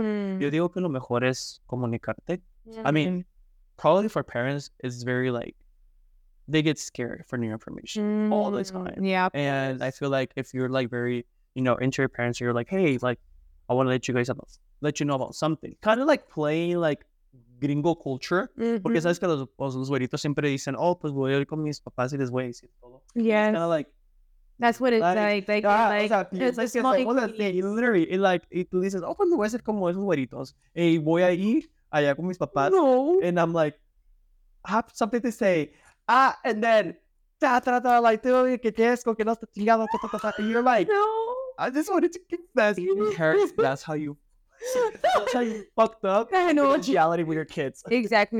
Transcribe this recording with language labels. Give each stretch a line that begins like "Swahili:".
Spanish: Yo digo que lo mejor es comunicarte.
English: Mm-hmm. I mean, probably for parents, it's very like, they get scared for new information mm-hmm. all the time. Yeah. And I feel like if you're like very, you know, into your parents, you're like, hey, like, I want to let you guys know, let you know about something. Kind of like play like gringo culture. Mm-hmm.
Spanish: Porque sabes que los güeritos siempre dicen, oh, pues voy a ir con mis papás y les voy a decir todo.
English: Yeah. Kind of like, that's what it's like. Literally, it like, it
Spanish: dices, oh, pues me voy a hacer como esos güeritos. Y voy a ir allá con mis papás. No.
English: And I'm like, I have something to say. Ah, and then, like, you're like, no. I just wanted to confess. Yes, that's how you. That's how you fucked up. I know. Reality with your kids. Exactly.